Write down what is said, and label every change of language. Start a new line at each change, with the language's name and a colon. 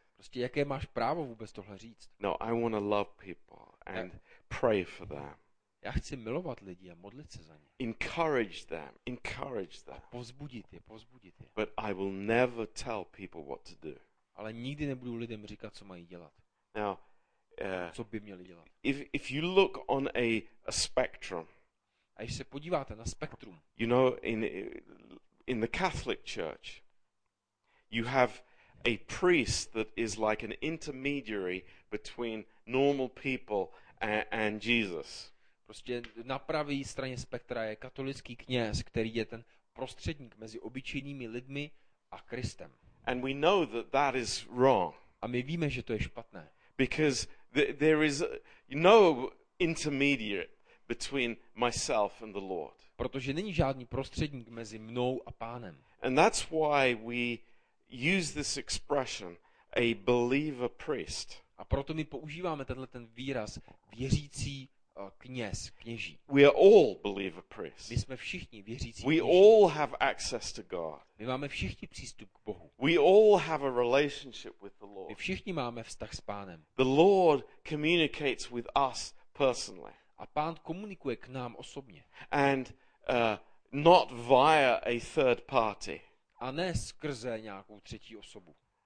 Czech: Prostě jaké máš právo vůbec tohle říct?
English: No, I want to love people and pray for them.
Czech: Já chci milovat lidi a modlit se za ně.
English: Encourage them, encourage them.
Czech: A povzbudit je, povzbudit je.
English: But I will never tell people what to do.
Czech: Ale nikdy nebudu lidem říkat, co mají dělat.
English: Now,
Czech: co by měli dělat?
English: If you look on a spectrum.
Czech: A když se podíváte na spektrum.
English: You know, in the Catholic Church, you have a priest that is like an intermediary between normal people and Jesus.
Czech: Prostě na pravé straně spektra je katolický kněz, který je ten prostředník mezi obyčejnými lidmi a Kristem.
English: And we know that that is wrong.
Czech: A my víme, že to je špatné.
English: Because there is no intermediate between myself and the Lord.
Czech: Protože není žádný prostředník mezi mnou a Pánem.
English: And that's why we use this expression, a believer priest.
Czech: A proto my používáme tenhle ten výraz věřící kněz, kněží.
English: We are all believer priests.
Czech: My jsme všichni věřící kněží.
English: We all have access to God.
Czech: My máme všichni přístup k Bohu.
English: We all have a relationship with the Lord.
Czech: My všichni máme vztah s Pánem.
English: The Lord communicates with us personally.
Czech: A Pán komunikuje k nám osobně.
English: And not via a third party.
Czech: A ne skrze nějakou třetí osobu.